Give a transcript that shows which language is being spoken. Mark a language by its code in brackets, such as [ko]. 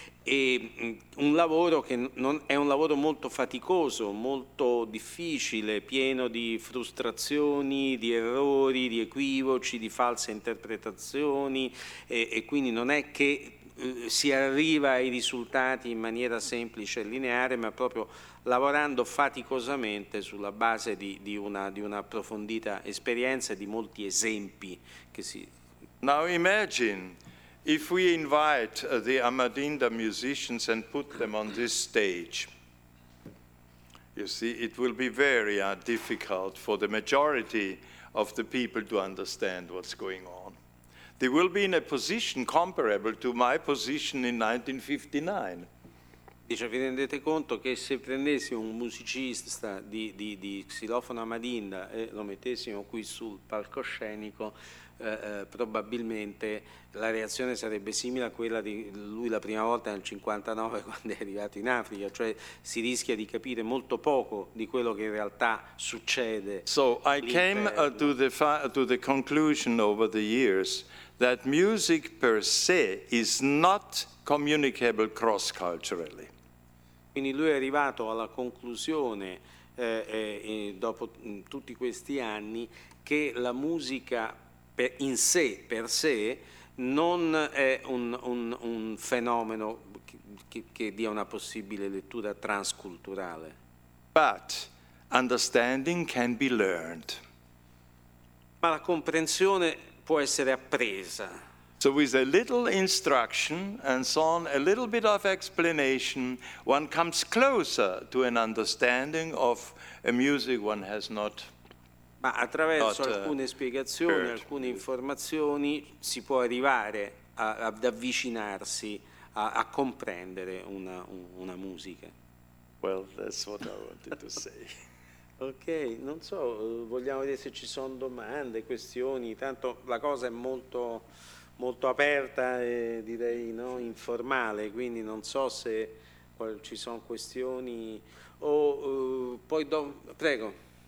[it] E un lavoro che non è un lavoro molto faticoso, molto difficile, pieno di frustrazioni, di errori, di equivoci, di false interpretazioni e quindi non è che si arriva ai risultati in maniera semplice e lineare, ma proprio lavorando faticosamente sulla base di una approfondita esperienza e di molti esempi che si... [en] Now imagine if we invite the Amadinda musicians and put them on this stage. You see, it will be very difficult for the majority of the people to understand what's going on. They will be in a position comparable to my position in 1959. [it] Dice, vi rendete conto che se prendessimo un musicista di xilofono Amadinda e lo mettessimo qui sul palcoscenico, probabilmente la reazione sarebbe simile a quella di lui la prima volta nel 59 quando è arrivato in Africa, cioè si rischia di capire molto poco di quello che in realtà succede. [en] So I came to the conclusion over the years that music per se is not communicable cross culturally. [it] Quindi lui è arrivato alla conclusione dopo tutti questi anni che la musica per sé non è un fenomeno che dia una possibile lettura transculturale. [en] But understanding can be learned. [it] Ma la comprensione può essere appresa. [en] So with a little instruction and so on, a little bit of explanation, one comes closer to an understanding of a music one has not. [it] Ma attraverso alcune spiegazioni, alcune informazioni, si può arrivare ad avvicinarsi a comprendere una musica. [en] Well, that's what I wanted to say. [it] Ok, non so, vogliamo vedere se ci sono domande, questioni, tanto la cosa è molto, molto aperta e direi, no, informale, quindi non so se ci sono questioni o poi prego.